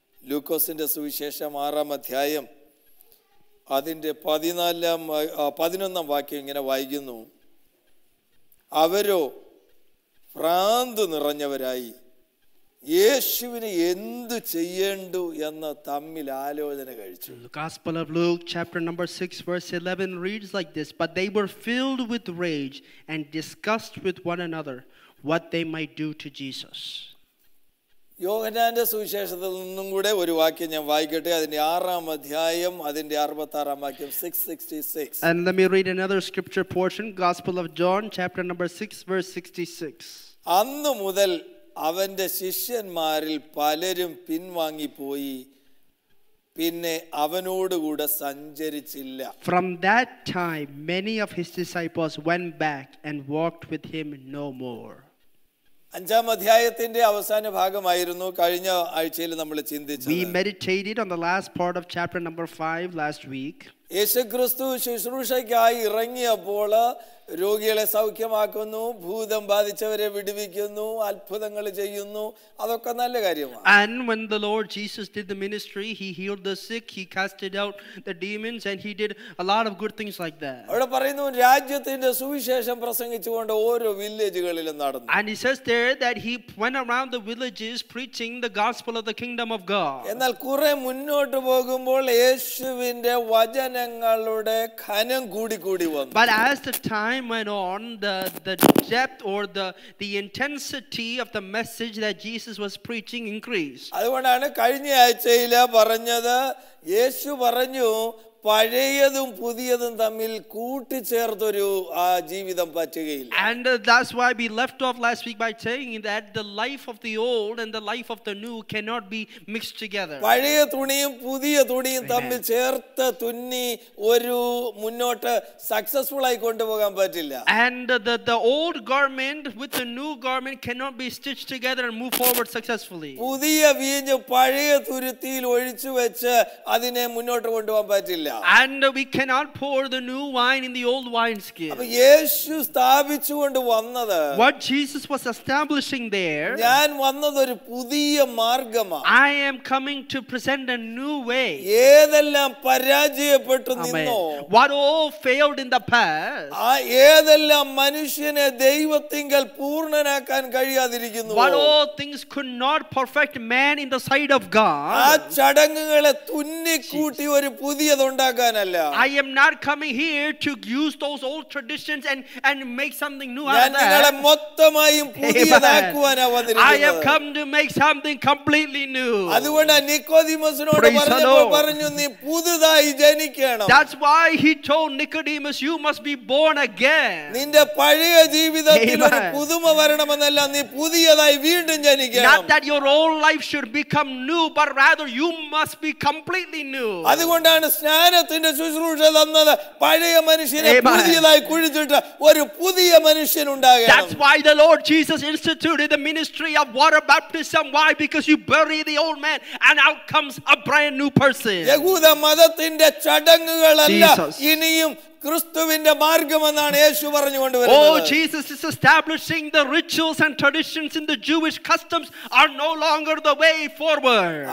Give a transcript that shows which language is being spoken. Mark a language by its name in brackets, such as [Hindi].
[Malayalam] ലൂക്കോസിൻ്റെ സുവിശേഷം 6-ാം അധ്യായം അതിൻ്റെ 11-ാം വാക്യം ഇങ്ങനെ വായിക്കുന്നു. അവരോ ഭ്രാന്ത് നിറഞ്ഞവരായി യേശുവിന് എന്തു ചെയ്യേണ്ടു എന്ന് തമ്മിൽ ആലോചന കഴിച്ചു. [English] The Gospel of Luke, chapter number 6, verse 11 reads like this: But they were filled with rage and discussed with one another what they might do to Jesus. [Malayalam] യോഹന്നാന്റെ സുവിശേഷത്തിൽ നിന്നും കൂടെ ഒരു വാക്യം ഞാൻ വായിക്കട്ടെ, അതിന്റെ 6-ാം അധ്യായം അതിന്റെ 66-ാം വാക്യം. 666. [English] And let me read another scripture portion, Gospel of John, chapter number 6, verse 66. [Malayalam] അന്നു മുതൽ അവന്റെ ശിഷ്യന്മാരിൽ പലരും പിൻവാങ്ങിപ്പോയി, പിന്നെ അവനോടുകൂടെ സഞ്ചരിച്ചില്ല. [English] From that time, many of his disciples went back and walked with him no more. [Malayalam] 5-ാം അധ്യായത്തിന്റെ അവസാന ഭാഗമായിരുന്നു കഴിഞ്ഞ ആഴ്ചയിൽ നമ്മൾ ചിന്തിച്ചത്. [English] We meditated on the last part of chapter number 5 last week. [Malayalam] യേശുക്രിസ്തു ശുശ്രൂഷയ്ക്കായി ഇറങ്ങിയപ്പോൾ രോഗികളെ സൗഖ്യമാക്കുന്നു, ഭൂതം ബാധിച്ചവരെ വിടുവിക്കുന്നു, അത്ഭുതങ്ങൾ ചെയ്യുന്നു, അതൊക്കെ നല്ല കാര്യമാണ്. [English] And when the Lord Jesus did the ministry, he healed the sick, he casted out the demons, and he did a lot of good things like that. [Malayalam] അവിടെ പറയുന്നു രാജ്യത്തിന്റെ സുവിശേഷം പ്രസംഗിച്ചുകൊണ്ട് ഓരോ വില്ലേജുകളിലും നടന്നു. [English] And he says there that he went around the villages preaching the gospel of the kingdom of God. [Malayalam] എന്നാൽ കുറെ മുന്നോട്ട് പോകുമ്പോൾ യേശുവിന്റെ വചനങ്ങളുടെ ഖനം കൂടി വന്നു. [English] But as the time went on, the depth or the intensity of the message that Jesus was preaching increased. [Malayalam] അതുകൊണ്ടാണ് കഴിഞ്ഞ ആഴ്ചയില പറഞ്ഞത്, യേശു പറഞ്ഞു പഴയതും പുതിയതും തമ്മിൽ കൂട്ടിച്ചേർത്തൊരു ആ ജീവിതം പറ്റുകയില്ല. [English] And that's why we left off last week by saying that the life of the old and the life of the new cannot be mixed together. [Malayalam] പഴയ തുണിയും പുതിയ തുണിയും തമ്മിൽ ചേർത്ത് തുന്നി ഒരു മുന്നോട്ട് സക്സസ്ഫുൾ ആയി കൊണ്ടുപോകാൻ പറ്റില്ല. [English] And the old garment with the new garment cannot be stitched together and move forward successfully. [Malayalam] പുതിയ വീഞ്ഞ് പഴയ തുരുത്തിയിൽ ഒഴിച്ചു വെച്ച് അതിനെ മുന്നോട്ട് കൊണ്ടുപോകാൻ പറ്റില്ല. [English] And we cannot pour the new wine in the old wine skin. [Malayalam] അപ്പോൾ യേശു സ്ഥാപിച്ചു കൊണ്ട് വന്നത്, [English] what Jesus was establishing there, [Malayalam] ഞാൻ വന്നത് ഒരു പുതിയ മാർഗ്ഗമാണ്. [English] I am coming to present a new way. [Malayalam] ഏതെല്ലാം പരാജയപ്പെട്ടു നിന്നോ, [English] what all failed in the past, [Malayalam] ആ ഏതെല്ലാം മനുഷ്യനെ ദൈവത്തിങ്കൽ പൂർണ്ണനാക്കാൻ കഴിയാതിരിക്കുന്നു, [English] what all things could not perfect man in the sight of God, [Malayalam] ആ ചടങ്ങുകളെ തുന്നി കൂട്ടി ഒരു പുതിയ [English] I am not coming here to use those old traditions and make something new out of that. [Malayalam] ഞാൻ നിങ്ങളെ മൊത്തമായും പുതിയതാക്കുവാനാണ് വന്നിരിക്കുന്നത്. [English] I have come to make something completely new. [Malayalam] അതുകൊണ്ട് നിക്കോദീമസിനോട് പറഞ്ഞു, നീ പുതുതായി ജനിക്കണം. [English] That's why he told Nicodemus, you must be born again. [Malayalam] നിന്റെ പഴയ ജീവിതത്തിൽ ഒരു പുതുമ വരണമെന്നല്ല, നീ പുതിയതായി വീണ്ടും ജനിക്കണം. [English] Not that your old life should become new, but rather you must be completely new. [Malayalam] അതുകൊണ്ടാണ് സ്നാനത്തിന്റെ ശുശ്രൂഷ തന്നത്, പഴയ മനുഷ്യനെ പുതിയതായി കുഴിച്ചിട്ട് ഒരു പുതിയ മനുഷ്യൻ ഉണ്ടാകണം. [English] That's why the Lord Jesus instituted the ministry of water baptism. Why? Because you bury the old man and out comes a brand new person. [Malayalam] യഹൂദ മതത്തിന്റെ ചടങ്ങുകളല്ല ഇനിയും ക്രിസ്തുവിന്റെ മാർഗം എന്നാണ് യേശു പറഞ്ഞു കൊണ്ടുവരുന്നത്. [English] Oh, Jesus is establishing the rituals and traditions in the Jewish customs are no longer the way forward.